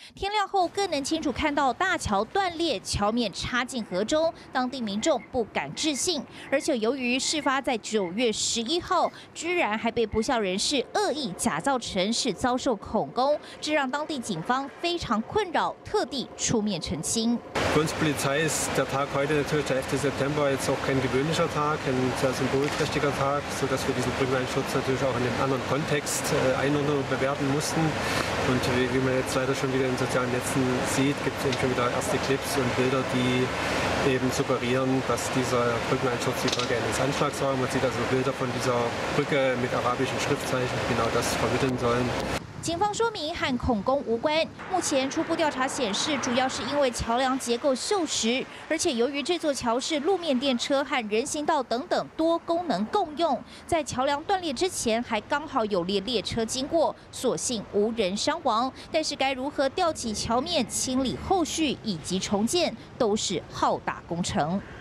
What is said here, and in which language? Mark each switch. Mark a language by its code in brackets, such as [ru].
[zh] 天亮后更能清楚看到大桥断裂，桥面插进河中，当地民众不敢置信。而且由于事发在9月11号，居然还被不肖人士恶意假造成是遭受恐攻，这让当地警方非常困扰。特地出面澄清。 [de] Für uns Polizei ist der Tag heute, natürlich der 11. September, jetzt auch kein gewöhnlicher Tag, ein sehr symbolträchtiger Tag, sodass wir diesen Brückeneinsturz natürlich auch in einem anderen Kontext einordnen und bewerten mussten. Und wie man jetzt leider schon wieder in den sozialen Netzen sieht, gibt es eben schon wieder erste Clips und Bilder, die eben suggerieren, dass dieser Brückeneinsturz die Folge eines Anschlags war. Man sieht also Bilder von dieser Brücke mit arabischen Schriftzeichen, die genau das vermitteln sollen. [zh] 警方说明和恐攻无关，目前初步调查显示主要是因为桥梁结构锈蚀，而且由于这座桥是路面电车和人行道等等多功能共用，在桥梁断裂之前还刚好有列车经过，所幸无人伤亡，但是该如何吊起桥面、清理后续以及重建都是浩大工程。